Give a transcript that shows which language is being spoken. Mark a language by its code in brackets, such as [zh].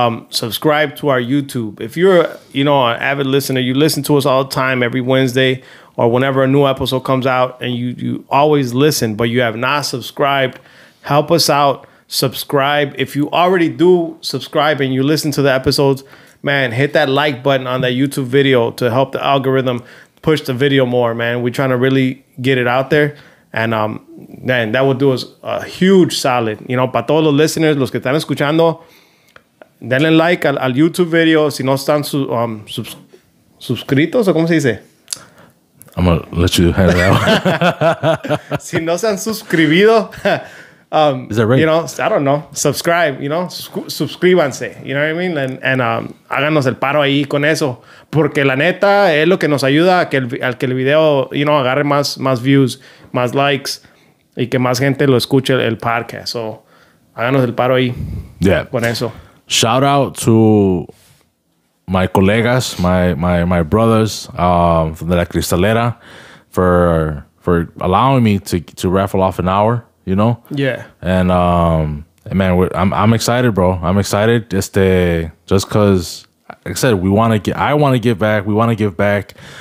[en] Subscribe to our YouTube. If you're, you know, an avid listener, you listen to us all the time every Wednesday or whenever a new episode comes out, and you always listen, but you have not subscribed, help us out. Subscribe. If you already do subscribe and you listen to the episodes, man, hit that like button on that YouTube video to help the algorithm push the video more, man. We're trying to really get it out there. And man, that would do us a huge solid. You know, [es] para todos los listeners, los que están escuchando, denle like al YouTube video. Si no están suscritos, ¿o cómo se dice? [en] I'm going to let you handle that one. [es] Si no están suscribido, [en] is that right? You know, I don't know. Subscribe, you know, suscríbanse. You know what I mean? [es] And háganos el paro ahí con eso. Porque la neta es lo que nos ayuda a que el video, [en] you know, [es] agarre más views, más likes, y que más gente lo escuche el podcast. So, háganos el paro ahí con eso. [en] Shout out to my colegas, my brothers from the La Cristalera for allowing me to raffle off an hour, you know? Yeah. And, man, I'm excited, bro. I'm excited just because... Like I said, I want to give back. We want to give back.